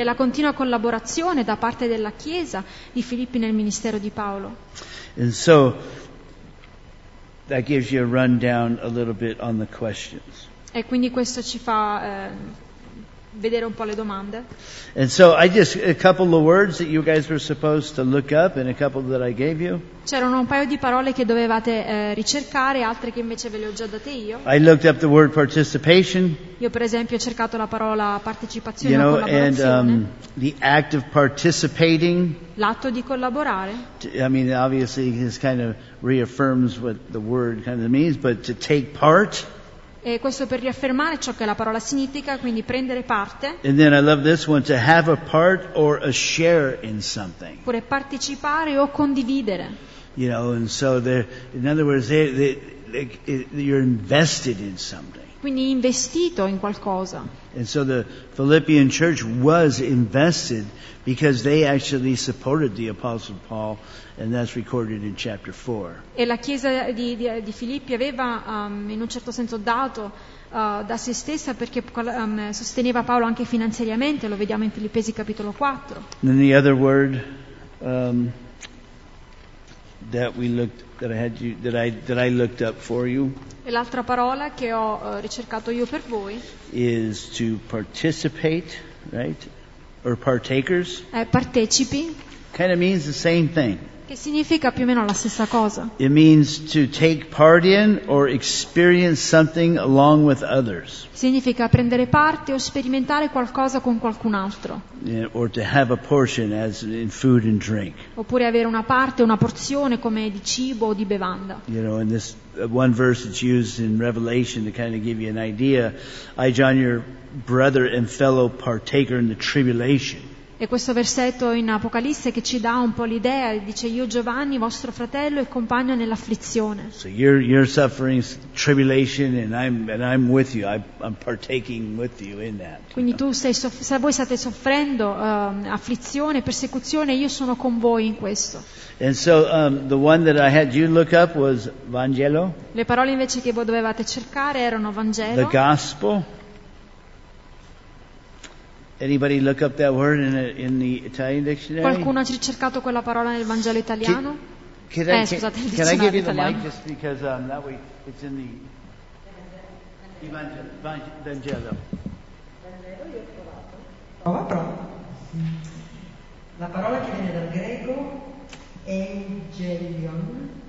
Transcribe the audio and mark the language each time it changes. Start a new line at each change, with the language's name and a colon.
Italian: E la continua collaborazione da parte della chiesa di Filippi nel ministero di Paolo.
English: And so that gives you a rundown a little bit on the questions.
Italian: E quindi questo ci fa vedere un po' le domande.
English: And so I just a couple of words that you guys were supposed to look up and a couple that I gave you.
Italian: C'erano un paio di parole che dovevate ricercare, altre che invece ve le ho già date io.
English: I looked up the word participation.
Italian: Io per esempio ho cercato la parola partecipazione,
English: you know,
Italian: o collaborazione.
English: And the act of participating.
Italian: L'atto di collaborare.
English: I mean, obviously this kind of reaffirms what the word kind of means, but to take part.
Italian: E questo per riaffermare ciò che la parola significa, quindi prendere parte.
English: And then I love this one, to have a part or a share in something.
Italian: Pure partecipare o condividere.
English: You know, and so there, in other words, they're invested in something.
Italian: quindi investito in qualcosa.
English: And so the Philippian church was invested because they actually supported the Apostle Paul, and that's recorded in chapter 4.
Italian: E la chiesa di Filippi aveva in un certo senso dato da se stessa perché sosteneva Paolo anche finanziariamente, lo vediamo in Filippesi capitolo 4.
English: Then the other word that we looked, that I looked up for you.
Italian: E l'altra parola che ho ricercato io per voi
English: is to participate, right? Or partakers.
Italian: Partecipi.
English: Kind of means the same thing.
Italian: Che significa più o meno la stessa cosa.
English: It means to take part in or experience something along with others.
Italian: Significa prendere parte o sperimentare qualcosa con qualcun altro.
English: Yeah, or to have a portion as in food and drink.
Italian: Oppure avere una parte, una porzione come di cibo o di bevanda.
English: You know, in this one verse that's used in Revelation to kind of give you an idea, I, John, your brother and fellow partaker in the tribulation.
Italian: E questo versetto in Apocalisse che ci dà un po' l'idea, dice: io Giovanni, vostro fratello e compagno nell'afflizione.
English: So you're suffering tribulation and I'm with you. I'm partaking with you in that.
Italian: Quindi tu stai voi state soffrendo afflizione, persecuzione, io sono con voi in questo.
English: And so the one that I had you look up was Vangelo.
Italian: Le parole invece che voi dovevate cercare erano Vangelo.
English: The gospel. Anybody look up that word in the Italian dictionary?
Italian: Qualcuno ha ricercato quella parola nel Vangelo italiano?
English: Can I give you the mic just because that way it's in the Vangelo.
Italian: Prova, prova. La parola che viene dal greco angelion.